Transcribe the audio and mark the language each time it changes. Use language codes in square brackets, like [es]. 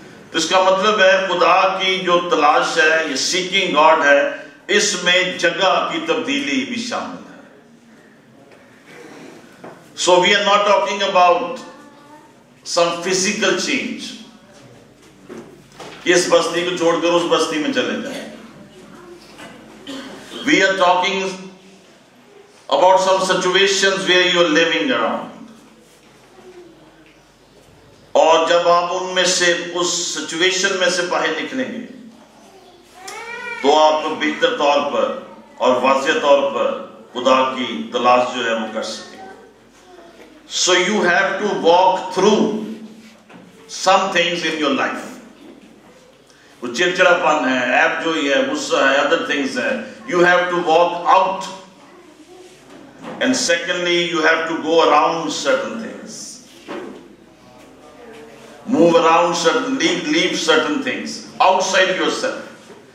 [ur] تو اس کا مطلب ہے خدا کی جو تلاش ہے, یہ سیکنگ گاڈ ہے, اس میں جگہ کی تبدیلی بھی شامل ہے. [en] so we are not talking about some physical change [ur] کہ اس بستی کو چھوڑ کر اس بستی میں چلے جائیں. [en] We are talking about some situations where you are living around. [ur] اور جب آپ ان میں سے اس سچویشن میں سے باہر نکلیں گے تو آپ بہتر طور پر اور واضح طور پر خدا کی تلاش جو ہے وہ کر سکیں. [en] So you have to walk through some things in your life. [ur] چڑچڑا پن ہے, ایپ جو ہی ہے, غصہ ہے, [en] other things [ur] ہے, [en] You have to walk out. And secondly you have to go around certain things, move around certain, leave certain things outside yourself.